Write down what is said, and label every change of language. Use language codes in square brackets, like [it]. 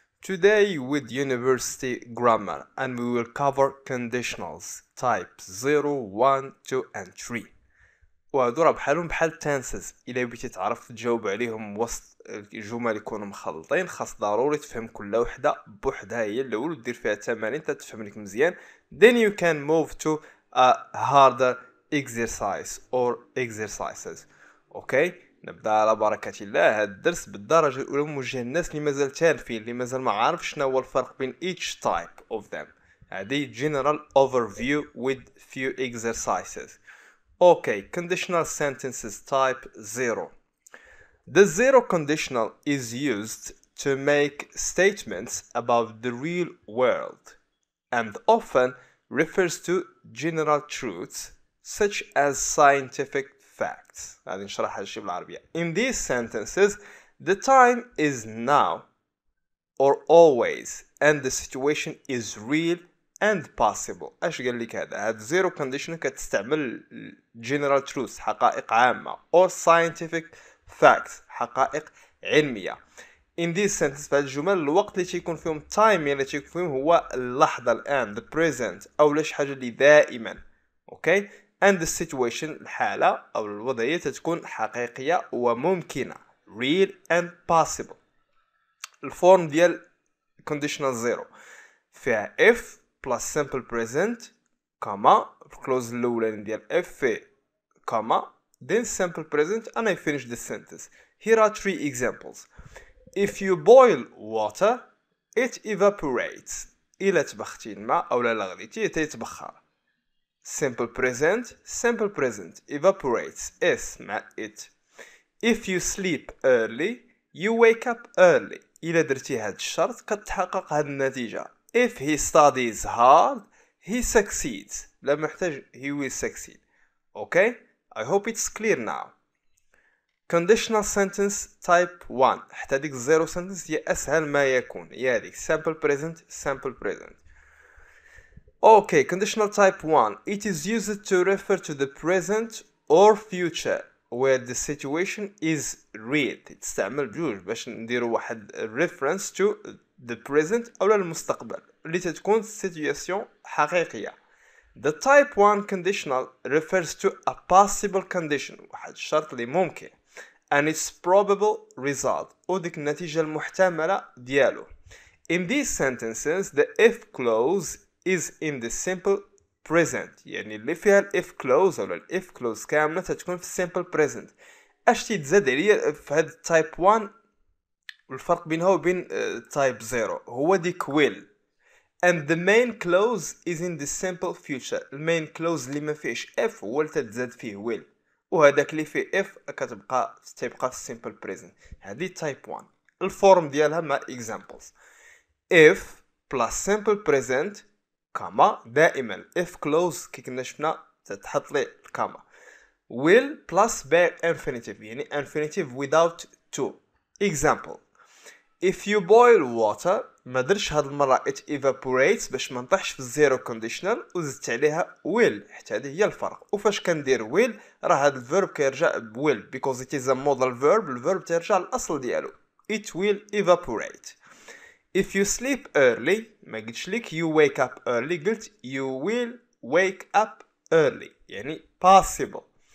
[en] Today with university grammar and we will cover conditionals type 0, 1, 2 and 3. [ar] وهذورا بحالهم بحال [en] tenses [ar] إلا بيتي تعرف تجاوب عليهم وسط الجمل يكونوا مخلطين خاص ضروري تفهم كل وحدة بوحدها هي الأول ودير فيها تمارين انت تفهم لك مزيان. [en] Then you can move to a harder exercise or exercises. Okay. [ar] نبدا على بركة الله. هذا الدرس بالدرجة الأولى موجه للناس اللي مازال تانفين اللي مازال ما عارف شنو هو الفرق بين [en] each type of them. [ar] هذه [en] general overview with few exercises. Okay, conditional sentences type 0. The zero conditional is used to make statements about the real world and often refers to general truths such as scientific facts. [ar] غادي نشرح هادشي بالعربية. [en] In these sentences, the time is now or always and the situation is real and possible. [ar] اش قال لك هذا؟ هاد [en] zero conditional [ar] كتستعمل [en] general truths [ar] حقائق عامة [en] or scientific facts [ar] حقائق علمية. [en] In these sentences [ar] في هاد الجمل الوقت اللي تيكون فيهم time اللي تيكون فيهم هو اللحظة الآن [en] the present [ar] أو لاش حاجة اللي دائما. [en] Okay. And the situation [ar] الحالة أو الوضعية تتكون حقيقية وممكنة [en] real and possible. [ar] الفورم ديال [en] conditional zero [ar] فيها [en] if plus simple present comma close [ar] الأولين ديال [en] if comma then simple present and I finish the sentence. Here are three examples. If you boil water, it evaporates. [ar] إلا تبختي الماء أو لا غليتي تتبخر. [en] Simple present, simple present, evaporates, is, مع it. If you sleep early, you wake up early. [ar] إلا درتي هاد الشرط كتحقق هاد النتيجة. [en] If he studies hard, he succeeds. [ar] لا محتاج, [en] he will succeed. Okay? I hope it's clear now. Conditional sentence type 1. [ar] حتى ديك zero sentence هي أسهل ما يكون. يعني [en] simple present, simple present. Okay, conditional type 1. It is used to refer to the present or future where the situation is real. [ar] تستعمل بجوج باش نديرو واحد [en] reference to the present [ar] أو للمستقبل اللي تتكون situation حقيقية. [en] The type 1 conditional refers to a possible condition, [ar] واحد شرط اللي ممكن, [en] and its probable result, [ar] وديك النتيجة المحتملة ديالو. [en] In these sentences, the if clause is in the simple present. [ar] يعني اللي فيها الاف كلوز او الاف كلوز كاملة تتكون في simple present. اش تيتزاد عليا في هاد تايب 1 والفرق بينها وبين تايب 0 هو ديك ويل. [en] And the main clause is in the simple future. [ar] المين كلوز اللي ما فيهش اف هو اللي تتزاد فيه ويل. وهذاك اللي فيه اف كتبقى في [en] simple present. [ar] هادي تايب 1. الفورم ديالها مع examples. [en] If plus simple present [ar] كما دائما [en] if close [ar] كي كنا شفنا تتحط لي الكما [en] will plus bare infinitive [ar] يعني [en] infinitive without to. Example, if you boil water [ar] ما درش هاد المرة [en] it evaporates [ar] باش ما نطحش [en] في zero conditional [ar] وزدت عليها [en] will [ar] حتى هذه هي الفرق. وفاش كندير [en] will [ar] راه هاد الverb كيرجع [en] will because it is a modal verb [ar] الverb ترجع الأصل ديالو [en] it will evaporate. If you sleep early, [ar] ما قلتش لك [en] you wake up early, [ar] قلت [en] you will wake up early, [ar] يعني [en] possible.